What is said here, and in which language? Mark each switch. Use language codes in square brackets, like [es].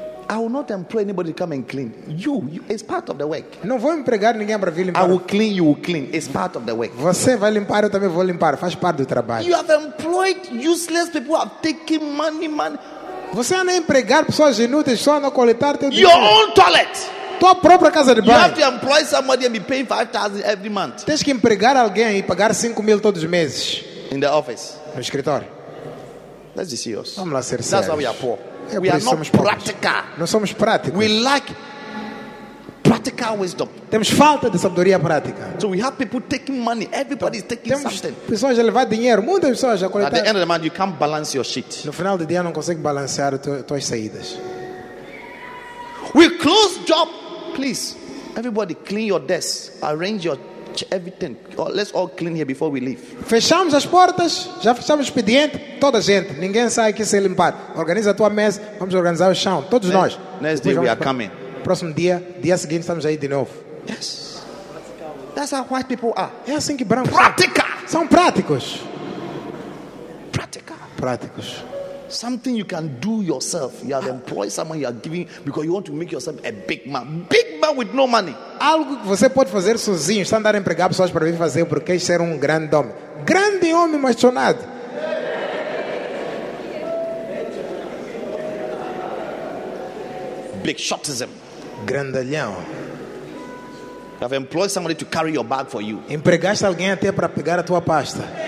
[en] I will not employ anybody to come and clean. You, it's part of the work. [pt] Não vou empregar ninguém para vir limpar. [en] I will clean, you will clean. It's part of the work. [pt] Você vai limpar, eu também vou limpar. Faz parte do trabalho. [en] You have employed useless people who have taken money. [pt] Você anda a empregar pessoas inúteis só a coletar teu dinheiro. [en] Your own toilet. [pt] Tua própria casa de banho. [en] You have to employ somebody and be paying 5,000 every month. [pt] Tens que empregar alguém e pagar 5,000 todos os meses. [en] In the office. [pt] No escritório. [en] Let's be serious. [pt] Vamos lá ser sérios. [en] That's why we are poor. We are not practical. [pt] Nós somos práticos. [en] We like practical wisdom. [pt] Temos falta de sabedoria prática. [en] So we have people taking money. Everybody is taking [pt] temos [en] something. [pt] Temos pessoas a levar dinheiro. Muitas pessoas a coletar. [en] At the end of the month, you can't balance your sheet. [pt] No final do dia, não consegue balancear tuas saídas. [en] We close job, please. Everybody, clean your desk. Arrange your everything. Let's all clean here before we leave. [pt] Fechamos as portas. Já fechamos o expediente. Toda a gente. Ninguém sai aqui sem limpar. Organiza a tua mesa. Vamos organizar o chão. Todos nós. [en] Next day we are coming. [pt] Próximo dia. Dia seguinte estamos aí de novo. [en] Yes. That's how white people are. [pt] É assim que brancos prática. São práticos. Prática. Práticos. [en] Something you can do yourself. You have employed someone, you are giving because you want to make yourself a big man. Big man with no money. [pt] Algo que você pode fazer sozinho. Está andando a empregar pessoas para vir fazer porque é ser um grande homem. Grande homem, mas sonado. [en] Big shotism. [pt] Grandalhão. [en] You have employed somebody to carry your bag for you. [pt] Empregaste alguém até para pegar a tua pasta.